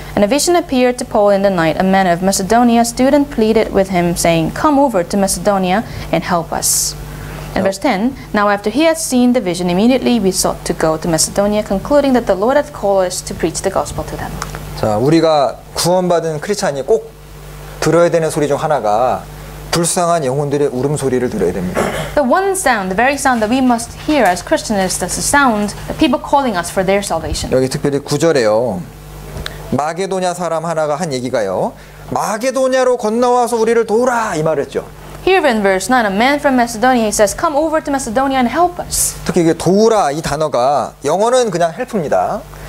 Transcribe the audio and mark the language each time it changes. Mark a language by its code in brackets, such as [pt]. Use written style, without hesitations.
[en] And a vision appeared to Paul in the night. A man of Macedonia stood and pleaded with him, saying, "Come over to Macedonia and help us." And verse 10, now after he had seen the vision, immediately we sought to go to Macedonia, concluding that the Lord had called us to preach the gospel to them. [ko] 자, 우리가 구원받은 크리스찬이 꼭 들어야 되는 소리 중 하나가 불쌍한 영혼들의 울음소리를 들어야 됩니다. [en] The one sound, the very sound that we must hear as Christians is the sound of people calling us for their salvation. [ko] 여기 특별히 9절에요. 마게도냐 사람 하나가 한 얘기가요. 마게도냐로 건너와서 우리를 도우라 이 말했죠. [en] Here in verse 9, a man from Macedonia he says, "Come over to Macedonia and help us." [ko] 특히 이게 도우라 이 단어가 영어는 그냥 help입니다.